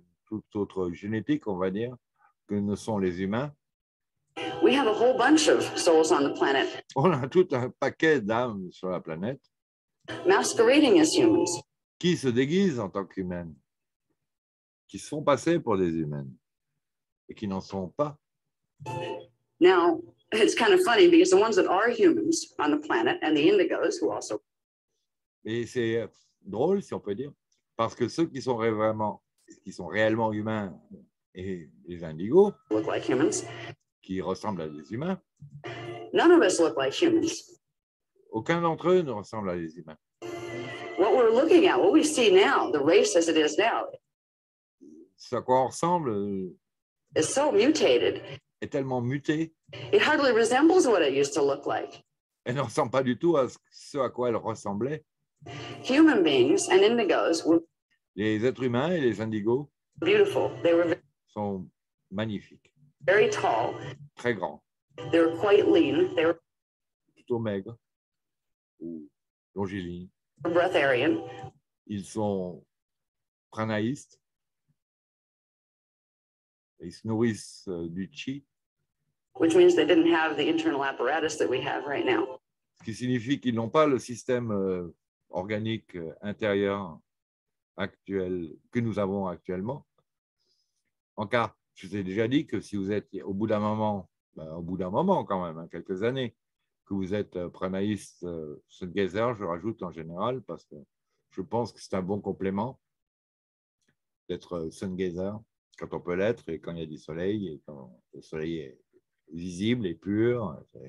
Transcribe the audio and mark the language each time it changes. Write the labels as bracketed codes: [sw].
[fr] toute autre génétique, on va dire, que ne sont les humains. [en] We have a whole bunch of souls on the planet. [fr] On a tout un paquet d'âmes sur la planète. [en] Masquerading as humans. [fr] Qui se déguisent en tant qu'humaines, qui se font passer pour des humaines et qui n'en sont pas. [en] Now, it's kind of funny because the ones that are humans on the planet and the indigos who also. [fr] Et c'est drôle, si on peut dire, parce que ceux qui sont réellement humains et les indigos, [en] look like humans. [fr] Qui ressemblent à des humains, [en] none of us look like humans. [fr] Aucun d'entre eux ne ressemble à des humains. [en] What we're looking at, what we see now, the race as it is now, [fr] ce à quoi on ressemble [en] is so mutated. [fr] Est tellement muté. [en] It hardly resembles what it used to look like. [fr] Elle ne ressemble pas du tout à ce à quoi elle ressemblait. [en] Human beings and indigos were [fr] les êtres humains et les indigos [en] beautiful. They were very, [fr] sont magnifiques. [en] Very tall. [fr] Très grands. [en] They were quite lean. They were [fr] plutôt maigres ou longilignes. [en] Breatharian. [fr] Ils sont pranaïstes. Ils se nourrissent du chi. [en] Which means they didn't have the internal apparatus that we have right now. [fr] Ce qui signifie qu'ils n'ont pas le système organique intérieur actuel que nous avons actuellement. En cas, je vous ai déjà dit que si vous êtes au bout d'un moment, ben, au bout d'un moment quand même, hein, quelques années, que vous êtes pranaïste, Sungazer, je rajoute en général, parce que je pense que c'est un bon complément d'être Sungazer quand on peut l'être et quand il y a du soleil et quand le soleil est visible et pur.